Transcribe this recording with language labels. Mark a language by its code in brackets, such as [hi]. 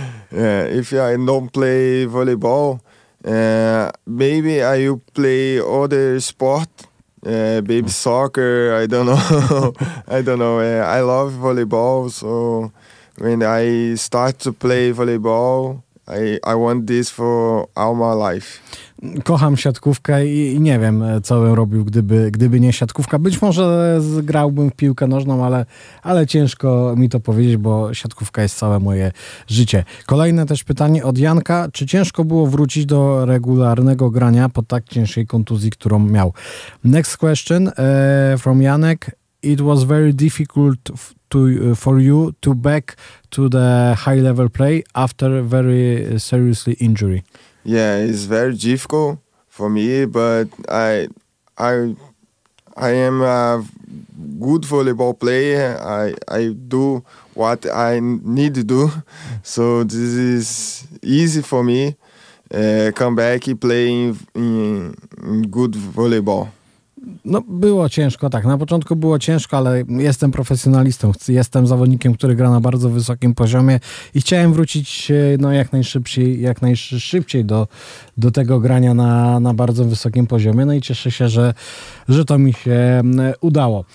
[en] If I don't play volleyball, maybe I will play other sport, maybe soccer, I don't know. I love volleyball, so when I start to play volleyball, I want this for all my life. [pl] Kocham siatkówkę i nie wiem, co bym robił, gdyby nie siatkówka. Być może grałbym w piłkę nożną, ale ciężko mi to powiedzieć, bo siatkówka jest całe moje życie. Kolejne też pytanie od Janka. Czy ciężko było wrócić do regularnego grania po tak ciężkiej kontuzji, którą miał? [en] Next question from Janek. It was very difficult for you to back to the high level play after very seriously injury. Yeah, it's very difficult for me, but I am a good volleyball player. I do what I need to do, so this is easy for me. Come back and play in good volleyball. [pl] No było ciężko, tak. Na początku było ciężko, ale jestem profesjonalistą. Jestem zawodnikiem, który gra na bardzo wysokim poziomie i chciałem wrócić no, jak najszybciej do tego grania na bardzo wysokim poziomie. No i cieszę się, że to mi się udało.